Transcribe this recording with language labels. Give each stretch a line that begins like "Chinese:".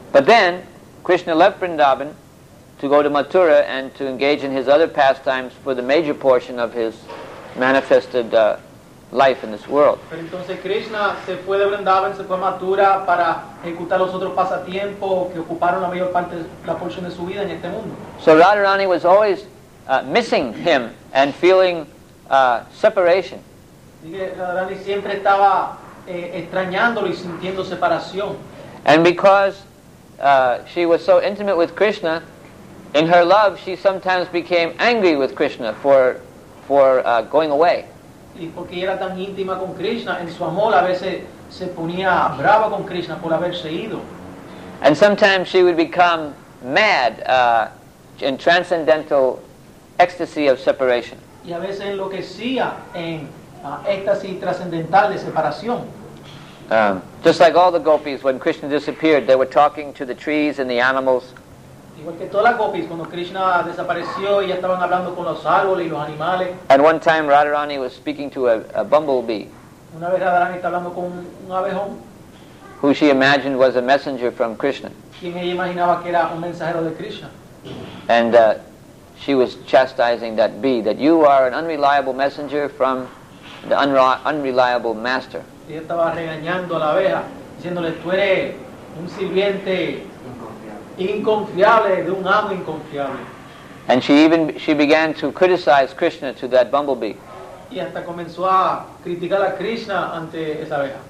English: But then, Krishna left Vrindavan to go to Mathura and to engage in his other pastimes for the major portion of his manifested life in this world.
Spanish: Pero entonces Krishna se fue de Vrindavan, se fue a Mathura para ejecutar los otros pasatiempos que ocuparon la mayor parte, la porción de su vida en este mundo.
English: So Radharani was always missing him and feeling separation.
Spanish: Radharani siempre estaba extrañándolo y sintiendo separación.
English: And because she was so intimate with Krishna, in her love she sometimes became angry with Krishna for going away.
Spanish: Y porque era tan íntima con Krishna, en su amor a veces se ponía brava con Krishna por haberse ido.
English: And sometimes she would become mad in transcendental ecstasy of separation.
Spanish: Y a veces enloquecía en éxtasis trascendental de separación.
English: Just like all the gopis, when Krishna disappeared, they were talking to the trees and the animals.
Spanish: Igual que todas las gopis, cuando Krishna desapareció, ya estaban hablando con los árboles y los animales.
English: And one time Radharani was speaking to a bumblebee.
Spanish: Una vez Radharani está hablando con un abejón.
English: Who she imagined was a messenger from Krishna.
Spanish: Quien ella imaginaba que era un mensajero de Krishna.
English: And she was chastising that bee, that you are an unreliable messenger from the unreliable master.
Spanish: Ella estaba regañando a la abeja, diciéndole, tú eres un sirviente inconfiable, de un amo inconfiable.
English: And she began to criticize Krishna to that bumblebee.
Spanish: Y hasta comenzó a criticar a Krishna ante esa abeja.